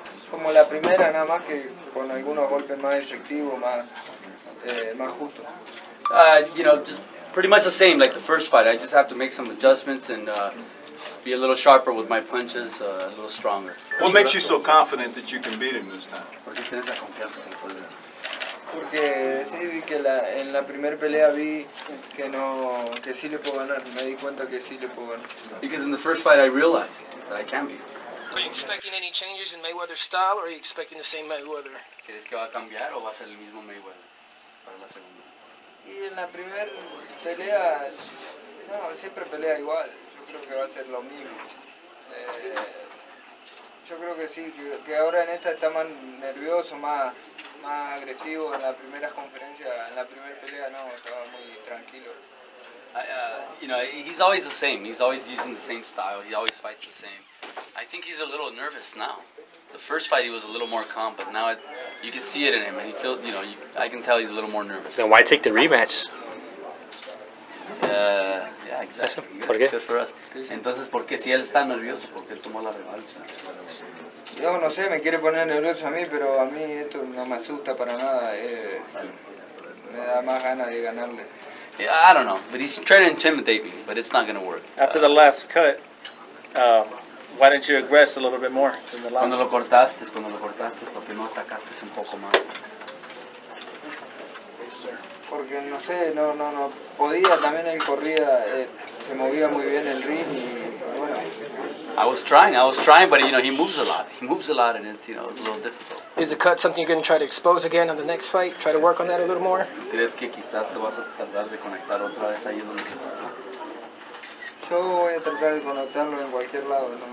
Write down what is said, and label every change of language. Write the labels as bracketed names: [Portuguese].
[Spanish] Como la primera, nada más que con algunos golpes más efectivos, más, más justo. [English] You know, just... Pretty much the same, like the first fight. I just have to make some adjustments and be a little sharper with my punches, a little stronger. What makes you so confident that you can beat him this time? [Spanish] ¿Por qué tienes la confianza que puedes ganar? Porque sí, vi que la, en la primera pelea vi que, no, que sí le puedo ganar. Me di cuenta que sí le puedo ganar. [English] Because in the first fight I realized that I can beat. Are you expecting any changes in Mayweather's style or are you expecting the same Mayweather? [Spanish] ¿Quieres que va a cambiar o va a ser el mismo Mayweather para la segunda? Y en la primera pelea, no, siempre pelea igual, yo creo que va a ser lo mismo. Yo creo que sí, que ahora en esta está más nervioso, más agresivo. En la primera conferencia, en la primera pelea, no, estaba muy tranquilo. [English] You know, he's always the same, he's always using the same style, he always fights the same. I think he's a little nervous now. The first fight he was a little more calm, but now it, you can see it in him. And he feels, you know, I can tell he's a little more nervous. Then why take the rematch? Yeah, exactly. [Spanish] ¿Por qué? Good for us. Entonces, ¿por qué si él está nervioso? ¿Por qué tomó la revancha? Yo no sé, me quiere poner nervioso a mí, pero a mí esto no me asusta para nada. Me da más ganas de ganarle. [English] Yeah, I don't know, but he's trying to intimidate me, but it's not going to work. After the last cut, why didn't you aggress a little bit more than the last cut? [Spanish] Cuando lo cortaste, ¿por qué no atacaste un poco más? Porque, no sé, no podía, también él corría, se movía muy bien el ring, y bueno. [English] I was trying, but, you know, he moves a lot, and it's, you know, it's a little difficult. Is the cut something you're going to try to expose again on the next fight? Try to work on that a little more? [Spanish] ¿Crees que quizás te vas a tratar de conectar otra vez ahí donde se cortó? Yo voy a tratar de conectarlo en cualquier lado.